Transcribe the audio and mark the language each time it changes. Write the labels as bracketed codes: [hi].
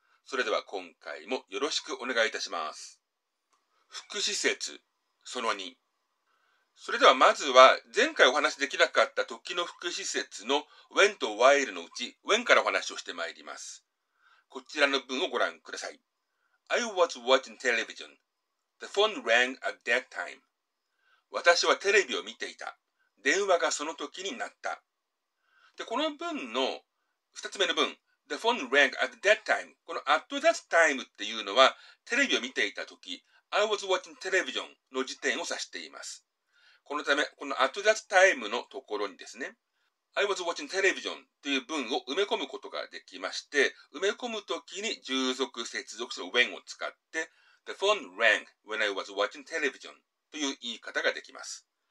[ja] それでは今回もよろしくお願いいたします。副詞節その2。それではまずは前回お話しできなかった時の副詞節の when と while のうち when からお話をしてまいります。こちらの文をご覧ください。 [en] I was watching television. The phone rang at that time. [ja] 私はテレビを見ていた。電話がその時になった。で、この文の2つ目の文、 [en] The phone rang at that time. [ja] この [en] at that time [ja] っていうのは、テレビを見ていた時、 [en] I was watching television [ja] の時点を指しています。このため、この at that time のところにですね、 [en] I was watching television [ja] という文を埋め込むことができまして、埋め込むときに従属接続する when を使って、 [en] The phone rang when I was watching television [ja] という言い方ができます。